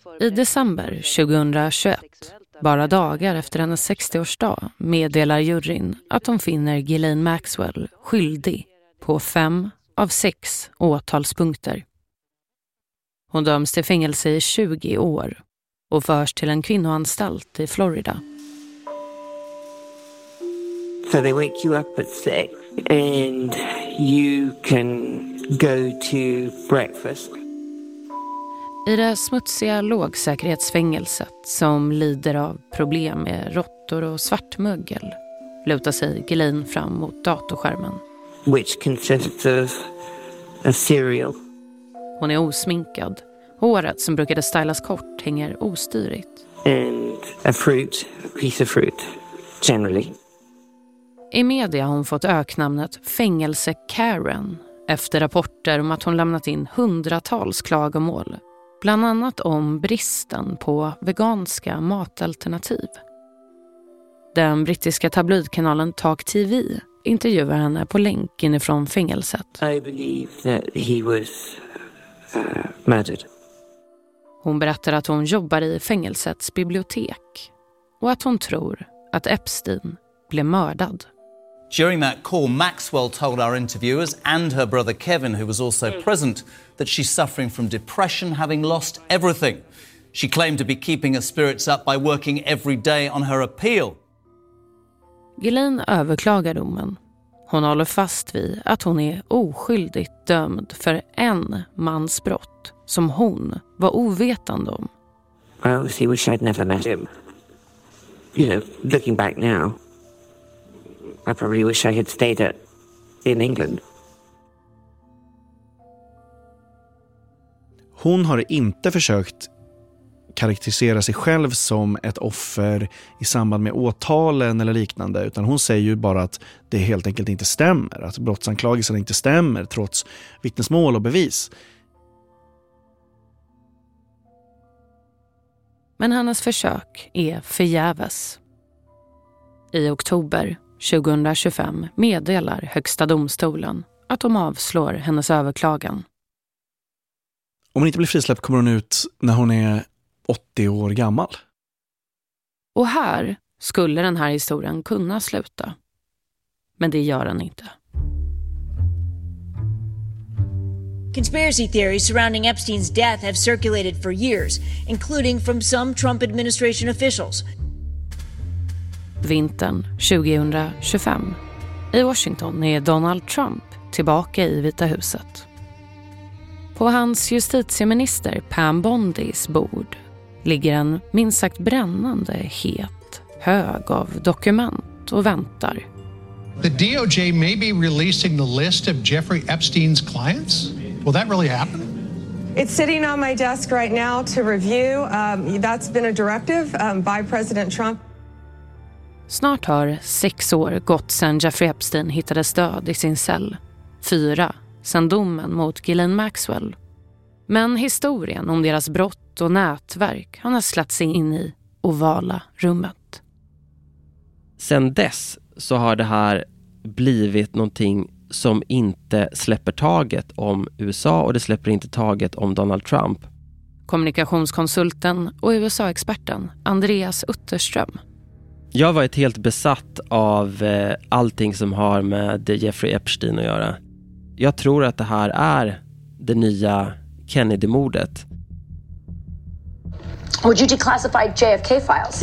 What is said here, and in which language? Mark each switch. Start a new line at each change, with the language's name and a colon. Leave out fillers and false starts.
Swedish: förberett. I december 2021, bara dagar efter hennes 60-årsdag, meddelar juryn att de finner Ghislaine Maxwell skyldig på 5 av 6 åtalspunkter. Hon döms till fängelse i 20 år. Och förs till en kvinnoanstalt i Florida.
English: So they wake you up at 6 and you can go to breakfast.
Swedish: I det smutsiga lågsäkerhetsfängelset som lider av problem med råttor och svartmögel lutar sig Ghislaine fram mot datorskärmen.
English: Which consists of a serial.
Swedish: Hon är osminkad. Håret som brukade stylas kort hänger ostyrigt.
English: And a piece of fruit, generally.
Swedish: I media har hon fått öknamnet Fängelse Karen efter rapporter om att hon lämnat in hundratals klagomål. Bland annat om bristen på veganska matalternativ. Den brittiska tabloidkanalen Talk TV intervjuar henne på länk inifrån fängelset.
English: I believe that he was murdered.
Swedish: Hon berättar att hon jobbar i fängelsets bibliotek och att hon tror att Epstein blev mördad.
English: During that call, Maxwell told our interviewers and her brother Kevin, who was also present, that she's suffering from depression, having lost everything. She claimed to be keeping her spirits up by working every day on her appeal.
Swedish: Ghislaine överklagar domen. Hon håller fast vid att hon är oskyldigt dömd för en mans brott som hon var ovetande om.
English: Well, she wish I'd never met him. You know, looking back now, I probably wish I had stayed in England.
Swedish: Hon har inte försökt karaktärisera sig själv som ett offer i samband med åtalen eller liknande, utan hon säger ju bara att det helt enkelt inte stämmer, att brottsanklagelsen inte stämmer trots vittnesmål och bevis. Men hennes försök är förgäves. I oktober 2025 meddelar Högsta domstolen att de avslår hennes överklagan. Om hon inte blir frisläppt kommer hon ut när hon är 80 år gammal. Och här skulle den här historien kunna sluta. Men det gör den inte.
English: Conspiracy theories surrounding Epstein's death have circulated for years, including from some Trump administration officials.
Swedish: Vintern 2025. I Washington är Donald Trump tillbaka i Vita huset. På hans justitieminister Pam Bondis bord ligger en minst sagt brännande het hög av dokument och väntar.
English: The DOJ may be releasing the list of Jeffrey Epstein's clients? Will that really happen? It's sitting on my desk right now to review. That's been a directive by President Trump.
Swedish: Snart har 6 år gått sedan Jeffrey Epstein hittades död i sin cell. 4 sedan domen mot Ghislaine Maxwell. Men historien om deras brott och nätverk han har släppt sig in i ovala rummet. Sen dess så har det här blivit någonting som inte släpper taget om USA och det släpper inte taget om Donald Trump. Kommunikationskonsulten och USA-experten Andreas Utterström. Jag har varit helt besatt av allting som har med Jeffrey Epstein att göra. Jag tror att det här är det nya Kennedy-mordet.
English: Would you declassify JFK files?